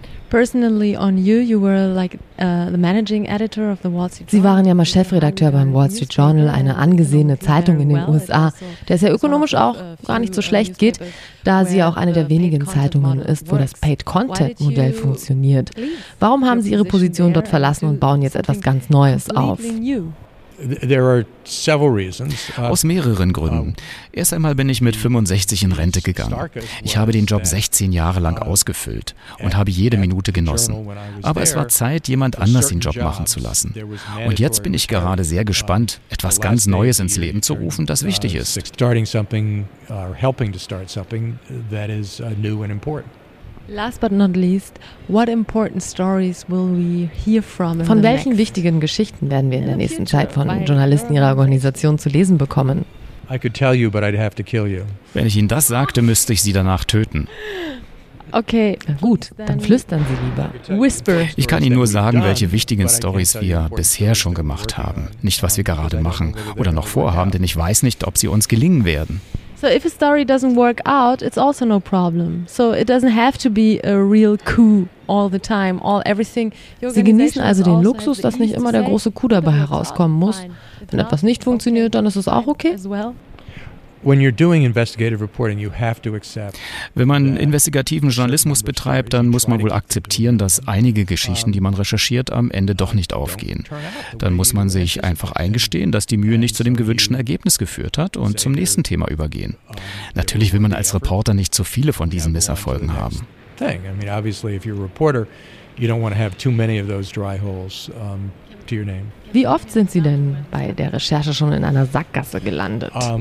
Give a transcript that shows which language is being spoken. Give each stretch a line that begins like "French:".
English: Personally on you were like the managing editor of the Wall Street Journal.
German: Sie waren ja mal Chefredakteur beim Wall Street Journal, eine angesehene Zeitung in den USA, der es ja ökonomisch auch gar nicht so schlecht geht, da sie ja auch eine der wenigen Zeitungen ist, wo das Paid Content Modell funktioniert. Warum haben Sie Ihre Position dort verlassen und bauen jetzt etwas ganz Neues auf?
English: There are several reasons.
German: Aus mehreren Gründen. Erst einmal bin ich mit 65 in Rente gegangen. Ich habe den Job 16 Jahre lang ausgefüllt und habe jede Minute genossen. Aber es war Zeit, jemand anders den Job machen zu lassen. Und jetzt bin ich gerade sehr gespannt, etwas ganz Neues ins Leben zu rufen, das wichtig ist.
English: Starting something or helping to start something that is new and important. Last but not least, what important stories will we hear from?
German: Von welchen wichtigen Geschichten werden wir in der nächsten Zeit von Journalisten Ihrer Organisation zu lesen bekommen?
English: I could tell you, but I'd have to kill you.
German: Wenn ich Ihnen das sagte, müsste ich Sie danach töten. Okay, gut, dann flüstern Sie lieber.
English: Whisper.
German: Ich kann Ihnen nur sagen, welche wichtigen Stories wir bisher schon gemacht haben, nicht was wir gerade machen oder noch vorhaben, denn ich weiß nicht, ob sie uns gelingen werden.
English: So if a story doesn't work out, it's also no problem. So it doesn't have to be a real coup all the time, all everything.
German: Sie genießen also den Luxus, dass nicht immer der große Coup dabei herauskommen muss. Wenn etwas nicht funktioniert, dann ist es auch okay.
English: When you're doing investigative reporting, you have to accept.
German: Wenn man investigativen Journalismus betreibt, dann muss man wohl akzeptieren, dass einige Geschichten, die man recherchiert, am Ende doch nicht aufgehen. Dann muss man sich einfach eingestehen, dass die Mühe nicht zu dem gewünschten Ergebnis geführt hat und zum nächsten Thema übergehen. Natürlich will man als Reporter nicht zu viele von diesen Misserfolgen haben.
English: I mean, obviously, if you're a reporter, you don't want to have too many of those dry holes to your name.
German: Wie oft sind Sie denn bei der Recherche schon in einer Sackgasse gelandet?